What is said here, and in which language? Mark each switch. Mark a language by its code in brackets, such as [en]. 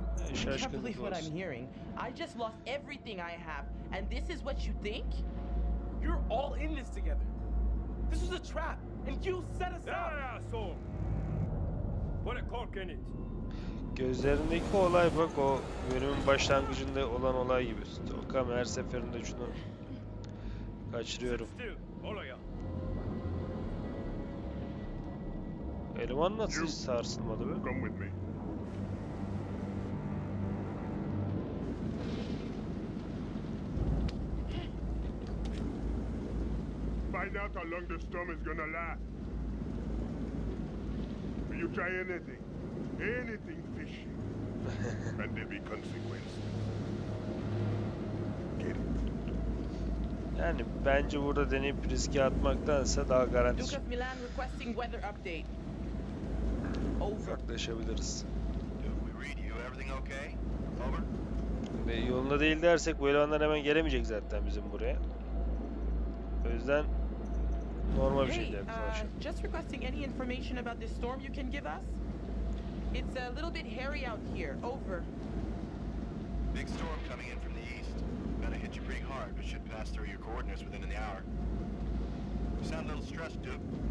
[en] I can't believe what I'm hearing. I just lost everything I have, and this is what you think? You're all in this together. This was a trap, and you set us up. Yeah, so put a cork in it. [tr] Gözlerindeki olay bak o bölümün başlangıcında olan olay gibi. Stokam her seferinde şunu kaçırıyorum. Eleman nasıl hiç sarsılmadı be? [en] Find out how long the storm is gonna last. Will you try anything? Anything fishy? And there be consequences. Get it. [tr] Yani bence burada deneyip riske atmaktansa daha garanti. [en] Duke of Milan requesting weather update. Over. [tr] Yaklaşabiliriz. [en] Duke, we read you. Everything okay? Over. [tr] Ve yolunda değil dersek bu elemanlar hemen gelemeyecek zaten bizim buraya. O yüzden normal bir şey değil. [en] Just requesting any information about this storm you can give us? It's a little bit hairy out here. Over. Big storm coming in from the east. Gonna hit you pretty hard, but should pass through your coordinates within an hour. You sound a little stressed, Duke.